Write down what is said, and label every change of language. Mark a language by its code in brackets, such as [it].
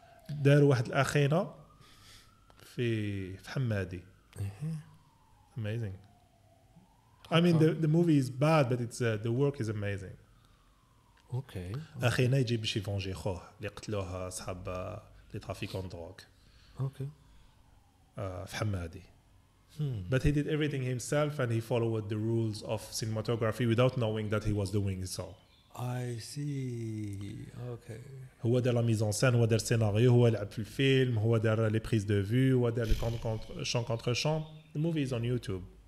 [ar] دار واحد الأخينا في حمادي. [en] Amazing. I mean the movie is bad but it's the work is amazing. Okay. [ar] أخينا يجي باش يفونجي خوه اللي قتلوها أصحاب اللي ترافيكون دروك. [en] Okay. [ar] في حمادي. [en] But he did everything himself and he followed the rules of cinematography without knowing that he was doing so. I see. Okay. [ar] هو دار لا ميز ان سين هو دار السيناريو هو لعب في الفيلم هو دار لي بريز دو فيو هو دار لي شان كونتر شان [en] The movie is on YouTube.